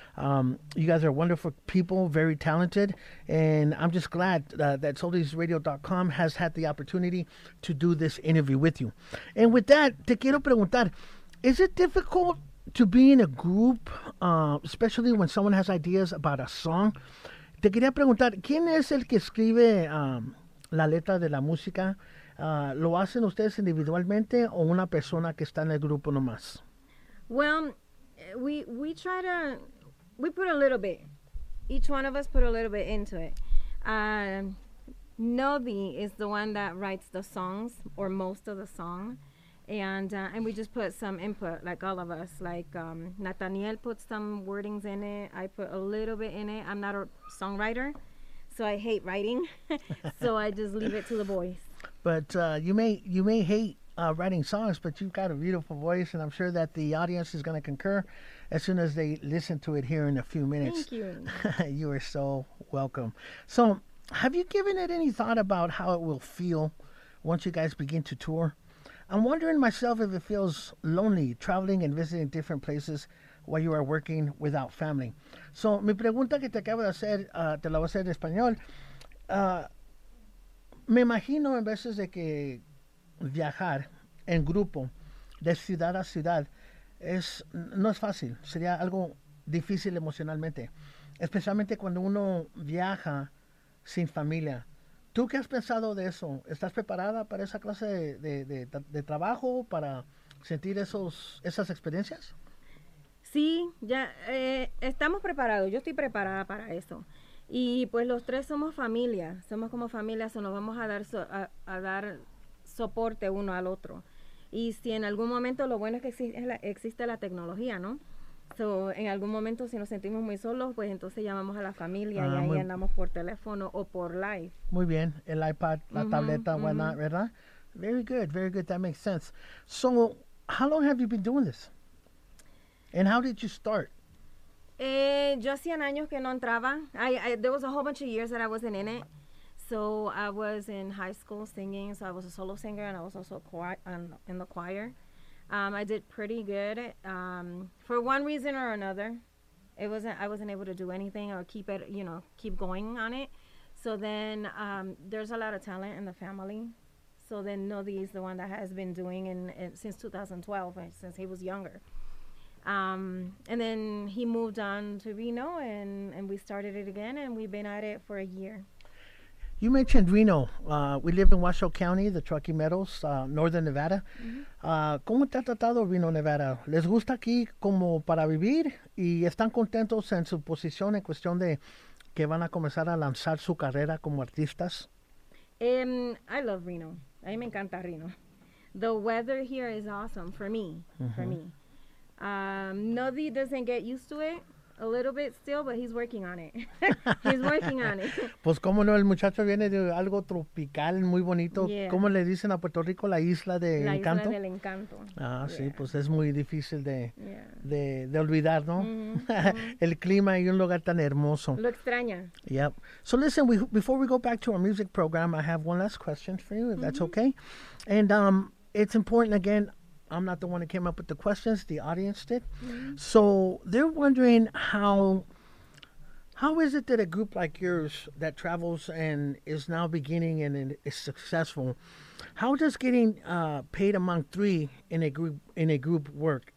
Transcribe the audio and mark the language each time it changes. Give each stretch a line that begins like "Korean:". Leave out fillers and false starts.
English: You guys are wonderful people, very talented. And I'm just glad that soldiersradio.com has had the opportunity to do this interview with you. And with that,
Spanish: te quiero preguntar,
English: is it difficult to be in a group, especially when someone has ideas about a song?
Spanish: Te quería preguntar, ¿quién es el que escribe la letra de la música? ¿Lo hacen ustedes individualmente o una persona que está en el grupo nomás?
English: Well, we put a little bit. Each one of us put a little bit into it. Novi is the one that writes the songs or most of the song. And we just put some input, like all of us. Like Nathaniel put some wordings in it. I put a little bit in it. I'm not a songwriter, so I hate writing. So I just leave it to the boys. But you may hate writing songs, but you've got a beautiful voice, and I'm sure that the audience is going to concur as soon as they listen to it here in a few minutes. Thank you. You are so welcome. So have you given it any thought about how it will feel once you guys begin to tour? I'm wondering myself if it feels lonely traveling and visiting different places while you are working without family.
Spanish: So mi pregunta que te acabo de hacer, te la voy a hacer en español. Me imagino en veces de que viajar en grupo de ciudad a ciudad no es fácil, sería algo difícil emocionalmente, especialmente cuando uno viaja sin familia. ¿Tú qué has pensado de eso? ¿Estás preparada para esa clase de trabajo, para sentir esas experiencias? Sí, ya estamos preparados, yo estoy preparada para eso. Y pues los tres somos como familia, so nos vamos a dar dar soporte uno al otro. Y si en algún momento, lo bueno es que existe la tecnología, ¿no? So en algún momento si nos sentimos muy solos, pues entonces llamamos a la familia y andamos por teléfono o por live. Muy bien, el iPad, la tableta, whatnot, ¿verdad?
English: Very good, very good, that makes sense. So how long have you been doing this? And how did you start?
Spanish: Yo hacía años que no entraba.
English: There was a whole bunch of years that I wasn't in it. So I was in high school singing. So I was a solo singer and I was also in the choir. I did pretty good. For one reason or another, I wasn't able to do anything or keep going on it. So then there's a lot of talent in the family. So then Nodi is the one that has been doing it since 2012, since he was younger. And then he moved on to Reno and we started it again, and we've been at it for a year. You mentioned Reno. We live in Washoe County, the Truckee Meadows, Northern Nevada.
Spanish: ¿Cómo te ha tratado Reno, Nevada? ¿Les gusta aquí como para vivir? ¿Y están contentos en su posición en cuestión de que van a comenzar a lanzar su carrera como artistas?
English: I love Reno.
Spanish: A mí me encanta Reno.
English: The weather here is awesome for me, for me. Nodi doesn't get used to it a little bit still, but he's working on it. He's working on it.
Spanish: Pues como no, el muchacho viene de algo tropical muy bonito.
English: Yeah.
Spanish: ¿Cómo le dicen a Puerto Rico? La isla de la encanto. La isla del encanto. Ah, sí, pues es muy difícil de olvidar, ¿no? El clima y un lugar tan hermoso. Lo extraña.
English: Yep. So listen, before we go back to our music program, I have one last question for you, if that's okay. And it's important, again, I'm not the one that came up with the questions. The audience did. So they're wondering how is it that a group like yours that travels and is now beginning and is successful, how does getting paid among three in a group work?